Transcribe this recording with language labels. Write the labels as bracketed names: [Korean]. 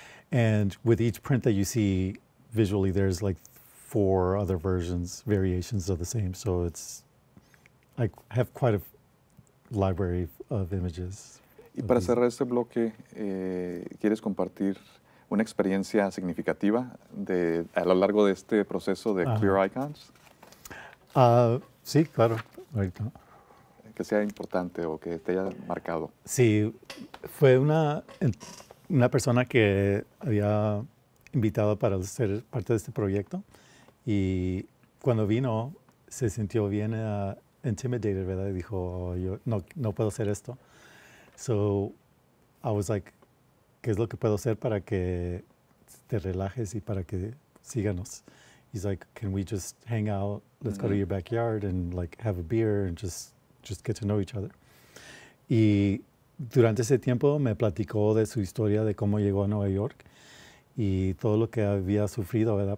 [English] And with each print that you see visually, there's like four other versions, variations of the same. So it's, I have quite a library of images. [Spanish] Y para cerrar este bloque, ¿quieres compartir una experiencia significativa a lo largo de este proceso de Clear Icons? Sí, claro. Ahorita. Que sea importante o que te haya marcado. Sí, fue una persona que había invitado para ser parte de este proyecto. Y cuando vino, se sintió bien intimidated, ¿verdad? Y dijo, yo no puedo hacer esto. [English] So I was like, [Spanish] ¿qué es lo que puedo hacer para que te relajes y para que síganos? [English] He's like, can we just hang out? Let's go to your backyard and like have a beer and just get to know each other. [Spanish] Y durante ese tiempo me platicó de su historia de cómo llegó a Nueva York y todo lo que había sufrido, ¿verdad?